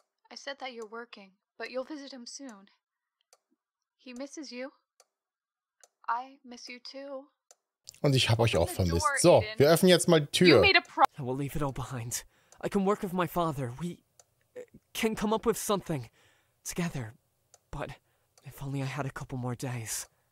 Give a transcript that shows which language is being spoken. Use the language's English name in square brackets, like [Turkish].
[English] I said that you're working, but you'll visit him soon. He misses you. I miss you too. [German] Und ich hab euch auch vermisst. So, wir öffnen jetzt mal die Tür. [English] I will leave it all behind. I can work with my father. We can come up with something together. But if only I had a couple more days.